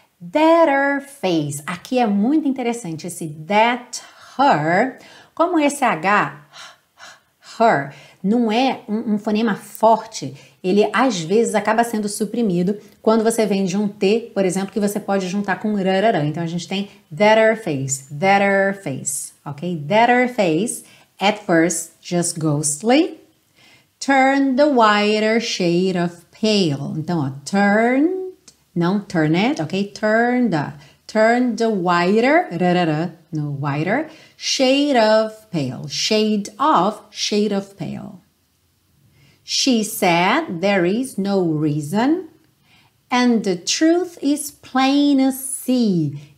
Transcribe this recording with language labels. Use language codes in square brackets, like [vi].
[en] That her face. [pt] Aqui é muito interessante esse that her. Como esse H, her, não é um fonema forte, ele às vezes acaba sendo suprimido quando você vem de um T, por exemplo, que você pode juntar com rararã. Então a gente tem [en] that her face, [pt] ok? [en] That her face, at first just ghostly, turned the whiter shade of pale. [pt] Então, ó, turned, não turned, ok? [en] Turned, turned a whiter, no whiter, shade of pale, shade of pale. She said there is no reason and the truth is plain as sea.